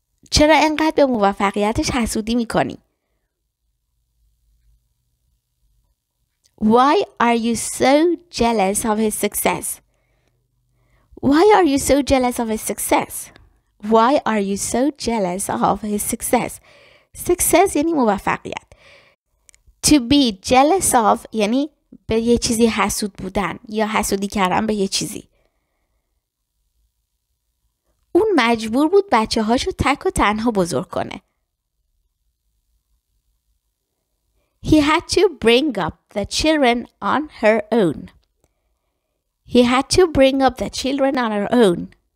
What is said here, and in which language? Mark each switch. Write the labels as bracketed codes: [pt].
[fa] چرا اینقدر به موفقیتش حسودی میکنی؟ [en] Why are you so jealous of his success? Why are you so jealous of his success? Why are you so jealous of his success? [fa] Success یعنی موفقیت. [en] To be jealous of [fa] یعنی به یه چیزی حسود بودن یا حسودی کردن به یه چیزی. اون مجبور بود بچه هاشو تک و تنها بزرگ کنه. [en] He had to bring up the children on her own. He had to bring up the children on her own.